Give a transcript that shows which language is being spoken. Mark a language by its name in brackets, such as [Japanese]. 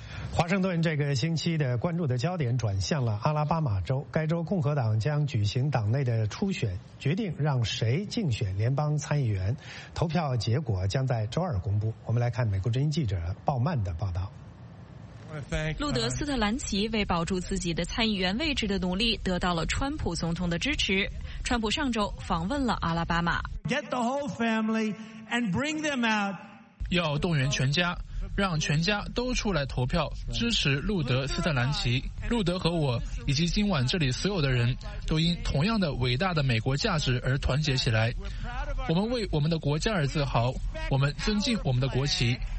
[Chinese] 华盛顿这个星期的关注的焦点转向了阿拉巴马州，该州共和党将举行党内的初选，决定让谁竞选联邦参议员，投票结果将在周二公布。我们来看美国之音记者鲍曼的报道。路德斯特兰奇为保住自己的参议员位置的努力得到了川普总统的支持，川普上周访问了阿拉巴马。 [English] Get the whole family and bring them out. [Chinese] 要动员全家，让全家都出来投票支持路德斯特兰奇。路德和我以及今晚这里所有的人都因同样的伟大的美国价值而团结起来，我们为我们的国家而自豪，我们尊敬我们的国旗。